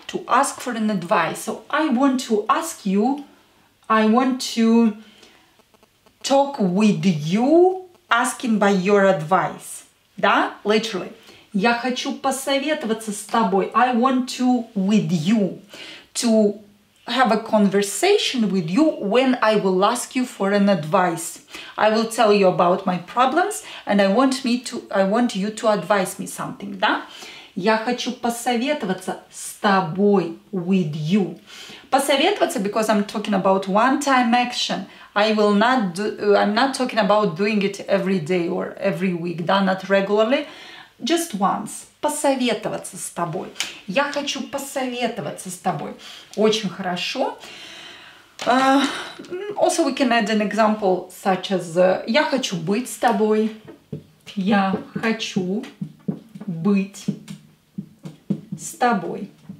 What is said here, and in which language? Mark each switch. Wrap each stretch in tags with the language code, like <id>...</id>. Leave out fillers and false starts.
<en>To ask for an advice. So I want to ask you, I want to talk with you, asking by your advice. Да? Literally.</en> <ru>Я хочу посоветоваться с тобой.</ru> <en>I want to with you. To have a conversation with you when I will ask you for an advice. I will tell you about my problems and I want you to advise me something.</en> <ru>Да? Я хочу посоветоваться с тобой,</ru> <en>with you. Посоветоваться, because I'm talking about one-time action. I'm not talking about doing it every day or every week. Да? Not regularly. Just once.</en> <ru>Посоветоваться с тобой. Я хочу посоветоваться с тобой.</ru> <en>Очень хорошо. Also, we can add an example such as</en> <ru>я хочу быть с тобой. Я хочу быть с тобой.</ru>